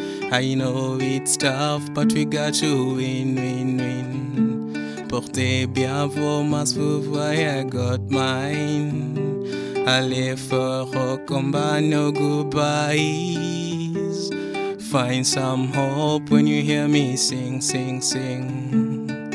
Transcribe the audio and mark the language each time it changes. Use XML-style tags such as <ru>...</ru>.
<en>I know it's tough, but we got to win, win, win.</en> <fr>Portez bien vos masques, vous voyez,</fr> <en>I got mine.</en> <fr>Allez fort au combat,</fr> <en>no goodbyes. Find some hope when you hear me sing, sing, sing.</en>